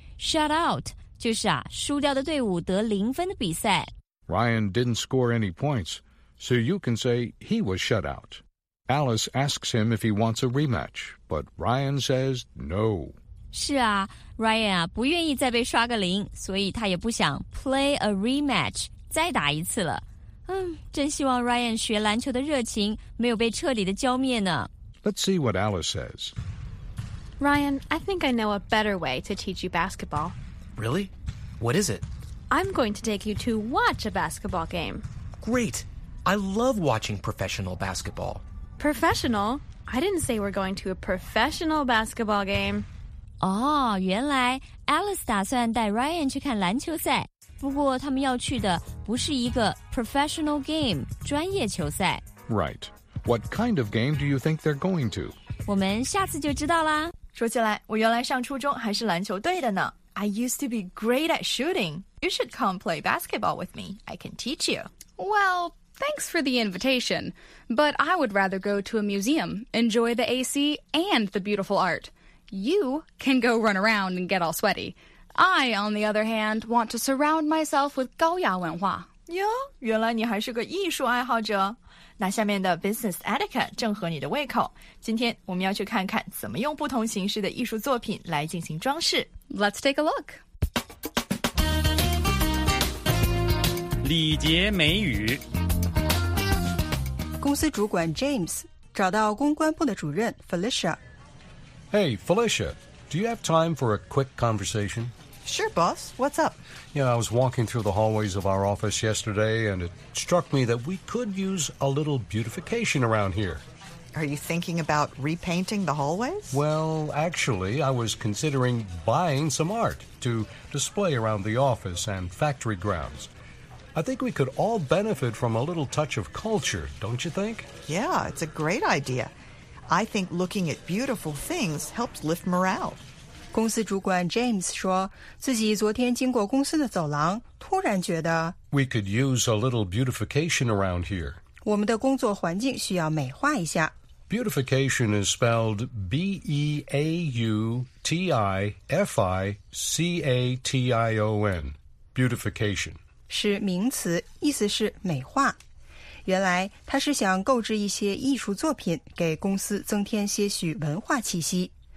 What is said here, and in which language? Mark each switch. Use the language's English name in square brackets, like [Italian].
[Chinese] Shut out, 就是啊输掉的队伍得零分的比赛。 [English] Ryan didn't score any points. So you can say he was shut out. Alice asks him if he wants a rematch, but Ryan says no. [Chinese] 是啊 ,Ryan 啊不愿意再被刷个零，所以他也不想 [English] play a rematch, [Chinese] 再打一次了。嗯，真希望 Ryan 学篮球的热情没有被彻底的浇灭呢。 [English] Let's see what Alice says. Ryan, I think I know a better way to teach you basketball. Really? What is it? I'm going to take you to watch a basketball game. Great! I love watching professional basketball. Professional? I didn't say we're going to a professional basketball game. [Chinese] Oh, 原来 Alice 打算带 Ryan 去看篮球赛。不过他们要去的不是一个 [English] professional game, [Chinese] 专业球赛。 [English] Right. What kind of game do you think they're going to? [Chinese] 我们下次就知道啦。说起来，我原来上初中还是篮球队的呢。 [English] I used to be great at shooting. You should come play basketball with me. I can teach you. Well... Thanks for the invitation, but I would rather go to a museum, enjoy the AC and the beautiful art. You can go run around and get all sweaty. I, on the other hand, want to surround myself with [Chinese] 高雅文化。哟，原来你还是个艺术爱好者。那下面的 [English] business etiquette [Chinese] 正合你的胃口。今天我们要去看看怎么用不同形式的艺术作品来进行装饰。 [English] Let's take a look. [Chinese] 礼节美语公司主管 James 找到公关部的主任 Felicia. [English] Hey, Felicia, do you have time for a quick conversation? Sure, boss. What's up? You know, I was walking through the hallways of our office yesterday, and it struck me that we could use a little beautification around here. Are you thinking about repainting the hallways? Well, actually, I was considering buying some art to display around the office and factory grounds. I think we could all benefit from a little touch of culture, don't you think? Yeah, it's a great idea. I think looking at beautiful things helps lift morale. [Chinese] 公司主管 James 说自己昨天经过公司的走廊突然觉得 [English] We could use a little beautification around here. [Chinese] 我们的工作环境需要美化一下。 [English] Beautification is spelled B-E-A-U-T-I-F-I-C-A-T-I-O-N. Beautification. [Chinese] 是名词，意思是美化。原来他是想购置一些艺术作品，给公司增添些许文化气息。